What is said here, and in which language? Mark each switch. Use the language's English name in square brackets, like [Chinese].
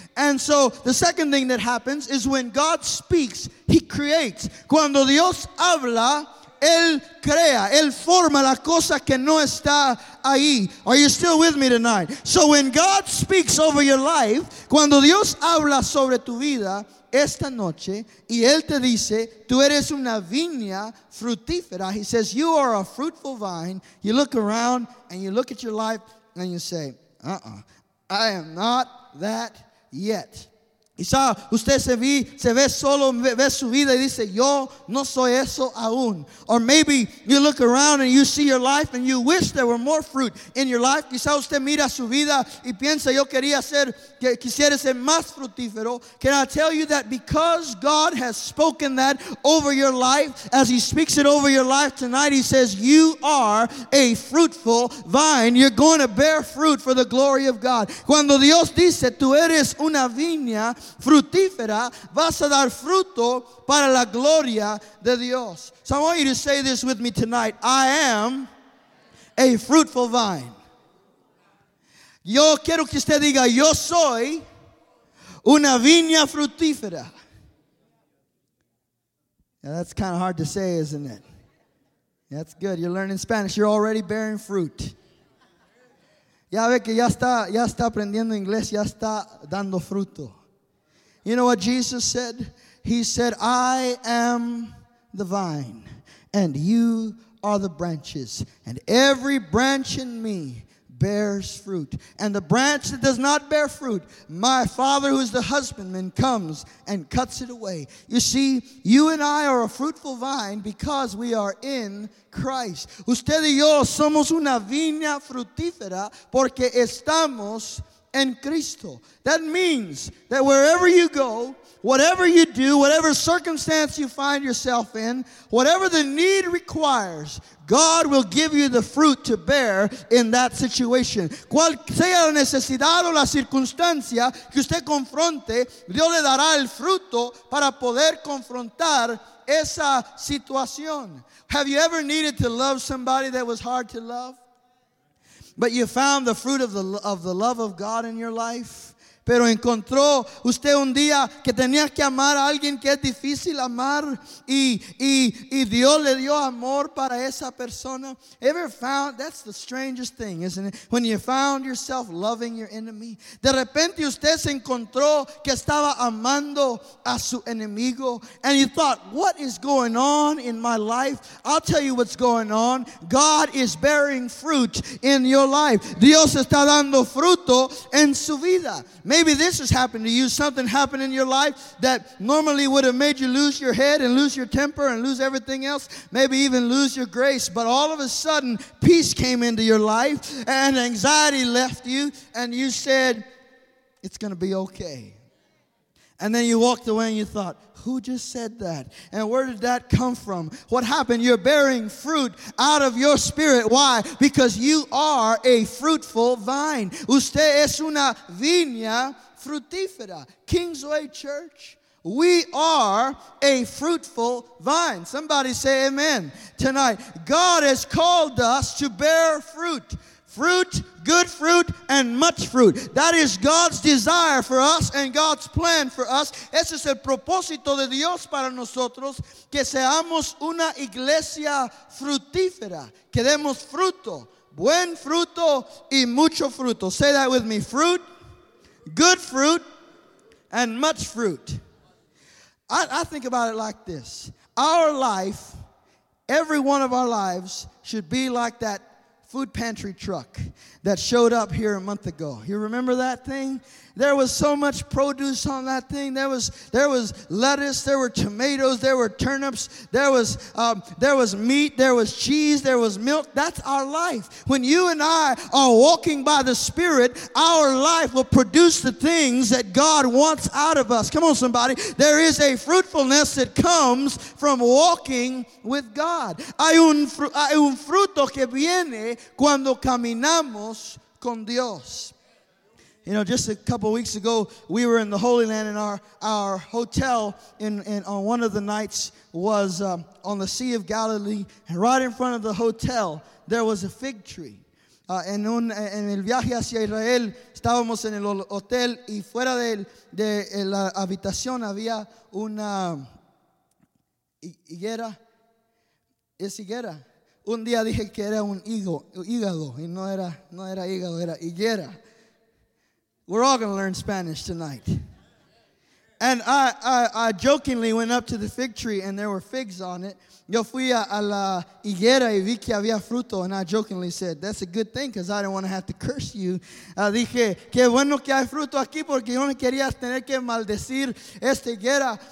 [English] And so the second thing that happens is when God speaks, he creates. [Spanish] Cuando Dios habla, Él crea, Él forma la cosa que no está ahí. [English] Are you still with me tonight? So when God speaks over your life, [Spanish] cuando Dios habla sobre tu vida esta noche, y Él te dice, tú eres una viña frutífera. [English] He says, you are a fruitful vine. You look around and you look at your life and you say, I am not that yet. [Spanish] Quizá usted se ve solo, ve su vida y dice, yo no soy eso aún. [English] Or maybe you look around and you see your life and you wish there were more fruit in your life. [Spanish] Quizá usted mira su vida y piensa, yo quisiera ser más frutífero. [English] Can I tell you that because God has spoken that over your life, as he speaks it over your life tonight, he says, you are a fruitful vine. You're going to bear fruit for the glory of God. [Spanish] Cuando Dios dice, tú eres una viña frutífera, vas a dar fruto para la gloria de Dios. [English] So I want you to say this with me tonight. I am a fruitful vine. [Spanish] Yo quiero que usted diga, yo soy una viña frutífera. [English] Yeah, that's kind of hard to say, isn't it? That's good. You're learning Spanish. You're already bearing fruit. [Spanish] Ya ve que ya está aprendiendo inglés, ya está dando fruto. [English] You know what Jesus said? He said, I am the vine, and you are the branches, and every branch in me bears fruit. And the branch that does not bear fruit, my Father who is the husbandman comes and cuts it away. You see, you and I are a fruitful vine because we are in Christ. [Spanish] Usted y yo somos una viña frutífera porque estamos en Cristo. [English] That means that wherever you go, whatever you do, whatever circumstance you find yourself in, whatever the need requires, God will give you the fruit to bear in that situation. [Spanish] Cual sea la necesidad o la circunstancia que usted confronte, Dios le dará el fruto para poder confrontar esa situación. [English] Have you ever needed to love somebody that was hard to love? But you found the fruit of the love of God in your life? [Spanish] Pero encontró usted un día que tenía que amar a alguien que es difícil amar y Dios le dio amor para esa persona. [English] Ever found, that's the strangest thing, isn't it? When you found yourself loving your enemy. [Spanish] De repente usted se encontró que estaba amando a su enemigo. [English] And you thought, what is going on in my life? I'll tell you what's going on. God is bearing fruit in your life. [Spanish] Dios está dando fruto en su vida. [English] Maybe this has happened to you. Something happened in your life that normally would have made you lose your head and lose your temper and lose everything else. Maybe even lose your grace. But all of a sudden, peace came into your life and anxiety left you. And you said, it's going to be okay. And then you walked away and you thought, who just said that? And where did that come from? What happened? You're bearing fruit out of your spirit. Why? Because you are a fruitful vine. [Spanish] Usted es una viña frutífera. [English] Kingsway Church, we are a fruitful vine. Somebody say amen tonight. God has called us to bear fruit. Fruit, good fruit, and much fruit. That is God's desire for us and God's plan for us. [Spanish] Ese es el propósito de Dios para nosotros, que seamos una iglesia frutífera, que demos fruto, buen fruto y mucho fruto. [English] Say that with me. Fruit, good fruit, and much fruit. I think about it like this. Our life, every one of our lives, should be like that food pantry truck that showed up here a month ago. You remember that thing? There was so much produce on that thing. There was lettuce, there were tomatoes, there were turnips, there was meat, there was cheese, there was milk. That's our life. When you and I are walking by the Spirit, our life will produce the things that God wants out of us. Come on, somebody. There is a fruitfulness that comes from walking with God. [Spanish] Hay un fruto que viene cuando caminamos con Dios. [English] You know, just a couple weeks ago, we were in the Holy Land, and our hotel in on one of the nights was on the Sea of Galilee, and right in front of the hotel, there was a fig tree. [Spanish] En el viaje hacia Israel, estábamos en el hotel, y fuera de la habitación había una higuera. ¿Es higuera? Un día dije que era un hígado, y no era hígado, era higuera. [English] We're all going to learn Spanish tonight. And I jokingly went up to the fig tree and there were figs on it. [Spanish] Yo fui a la higuera y vi que había fruto. [English] And I jokingly said, that's a good thing because I didn't want to have to curse you. [Spanish] Dije, que bueno que hay fruto aquí porque yo no quería tener que maldecir esta higuera.